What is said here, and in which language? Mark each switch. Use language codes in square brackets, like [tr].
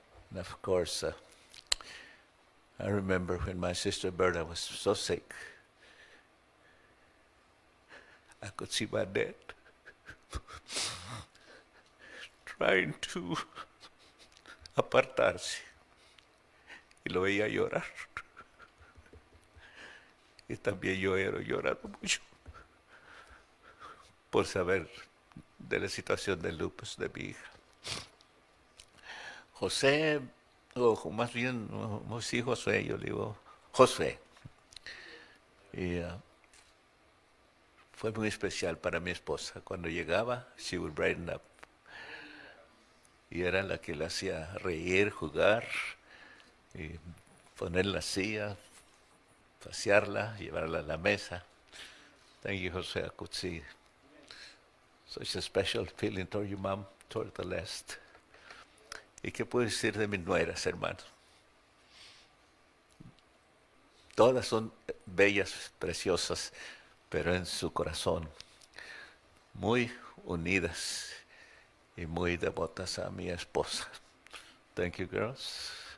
[en] And of course, I remember when my sister Berta was so sick. I could see my dad trying to [es] apartarse. Y lo veía llorar. Y también yo era llorando mucho por saber de la situación del lupus de mi hija. José, o más bien, sí, José, yo le digo, José. Y fue muy especial para mi esposa. Cuando llegaba, [en] she would brighten up. [es] Y era la que le hacía reír, jugar, y poner la silla, pasearla, llevarla a la mesa. [en] Thank you, José, I could see. Such a special feeling toward you, mom, toward the last. [es] ¿Y qué puedo decir de mis nueras, hermano? Todas son bellas, preciosas, pero en su corazón, muy unidas y muy devotas a mi esposa. [en] Thank you, girls.